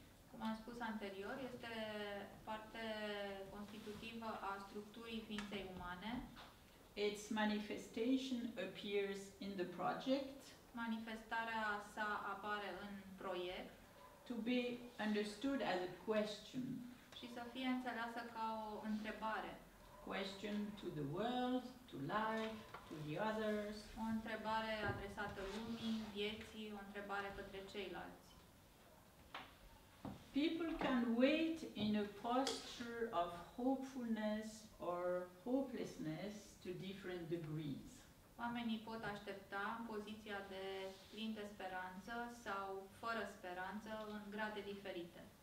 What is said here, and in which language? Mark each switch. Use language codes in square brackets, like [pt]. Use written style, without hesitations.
[ro] Cum am spus anterior, este parte constitutivă a structurii ființei umane. [en] Its manifestation appears in the project. [ro] Manifestarea sa apare în proiect. [en] To be understood as a question. [ro] Și să fie înțeleasă ca o întrebare. [en] Question to the world, to life, to the others. [ro] O întrebare adresată lumii, vieții, o întrebare către ceilalți. [en] People can wait in a posture of hopefulness or hopelessness to different degrees. [ro] Oamenii pot aștepta în poziția de plin de speranță sau fără speranță în grade diferite.